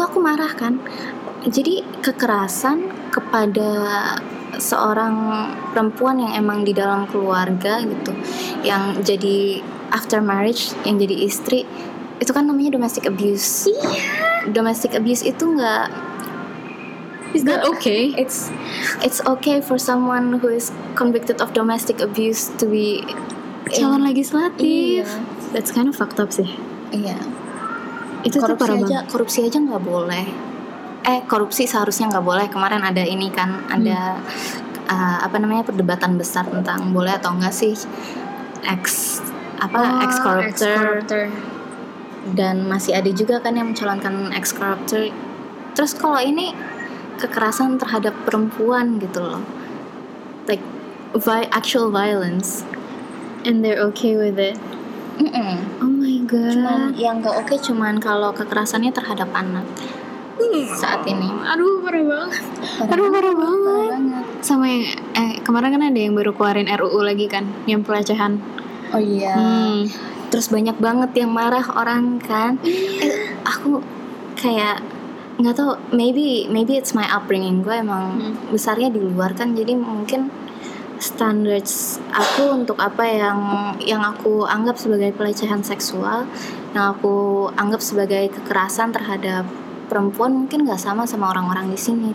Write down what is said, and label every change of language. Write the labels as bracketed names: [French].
[Indonesian] aku marah kan. Jadi kekerasan kepada seorang perempuan yang emang di dalam keluarga gitu, yang jadi [English] after marriage, [Indonesian] yang jadi istri, itu kan namanya domestic abuse. Iya. Domestic abuse itu nggak, [English] is that okay? It's okay for someone who is convicted of domestic abuse to be [Indonesian] calon legislatif. Iya. [English] That's kind of fucked up sih. [Indonesian] Iya. Itu korupsi parah aja, banget. Korupsi aja nggak boleh. Korupsi seharusnya nggak boleh. Kemarin ada ini kan, ada apa namanya, perdebatan besar tentang boleh atau enggak sih ex-corruptor. Dan masih ada juga kan yang mencalonkan ex-corruptor. Terus kalau ini kekerasan terhadap perempuan gitu loh, [English] like actual violence, and they're okay with it. Mm-mm. Oh my god. [Indonesian] Cuman yang gak okay cuman kalau kekerasannya terhadap anak saat ini. Aduh, parah banget. Parah banget. Sama yang kemarin kan ada yang baru keluarin RUU lagi kan, yang pelecehan. Oh iya. Terus banyak banget yang marah orang kan. Aku kayak gak tau, [English] maybe it's my upbringing. [Indonesian] Gue emang besarnya di luar kan, jadi mungkin standards aku untuk apa yang aku anggap sebagai pelecehan seksual, yang aku anggap sebagai kekerasan terhadap perempuan, mungkin nggak sama orang-orang di sini.